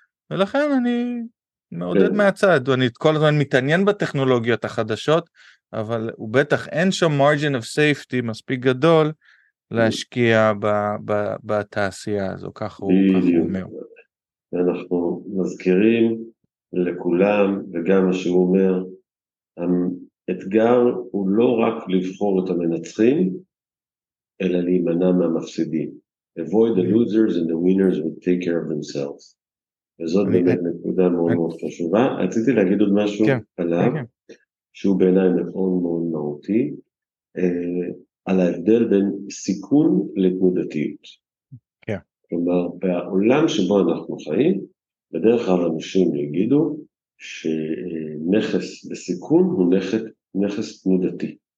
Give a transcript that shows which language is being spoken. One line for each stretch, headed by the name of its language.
Hebrew: ולכן אני מעודד מהצד, אני כל הזמן מתעניין בטכנולוגיות החדשות, אבל הוא בטח אין שום margin of safety מספיק גדול, להשקיע בתעשייה הזו, כך הוא אומר. אנחנו מזכירים לכולם, וגם מה שהוא אומר, אתגר הוא לא רק לבחור את המנצחים, אלא להימנע מהמפסידים.
English: Avoid the losers and the winners will take care of themselves.
Hebrew: וזאת באמת נקודה מאוד מאוד חשובה. רציתי להגיד עוד משהו עליו, שהוא בעיניי מאוד מאוד מהותי, על ההבדל בין סיכון לתנודתיות. כלומר, בעולם שבו אנחנו חיים, בדרך כלל אנשים יגידו, שנכס בסיכון הוא נכס תנודתי.